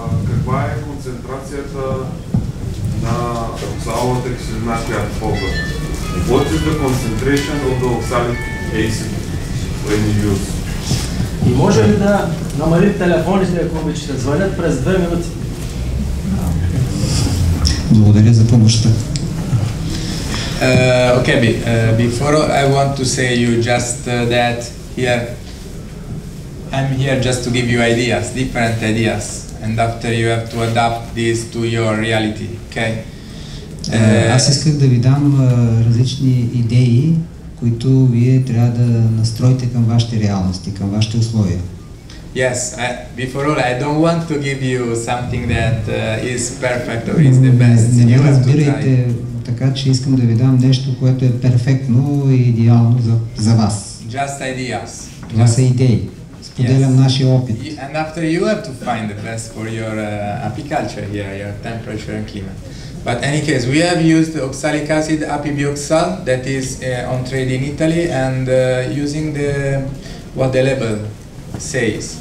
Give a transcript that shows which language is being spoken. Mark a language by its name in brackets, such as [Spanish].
[Bulgarian] Каква е концентрацията на оксаловата киселина, която ползва? [English] What is the concentration of the oxalic acid when you use? [Bulgarian] И може ли да намалим телефоните, ако обичате, звънят през 2 минути? Благодаря за помощта. [English] Okay, before I want to say you just that here I'm here just to give you ideas, different ideas, and after you have to adapt this to your reality, okay? [Bulgarian] Аз исках да ви дам различни идеи, които вие трябва да настроите към вашите реалности, към вашите условия. [English] Yes, before all, I don't want to give you something that is perfect or is the best. [Bulgarian] Не ме разбирайте така, че искам да ви дам нещо, което е перфектно и идеално за вас. [English] Just ideas. [Bulgarian] Това са идеи. Споделям нашия опит. [English] And after you have to find the best for your apiculture here, your temperature and climate. But any case, we have used oxalic acid, apibioxal, that is on trade in Italy, and using the what the label says.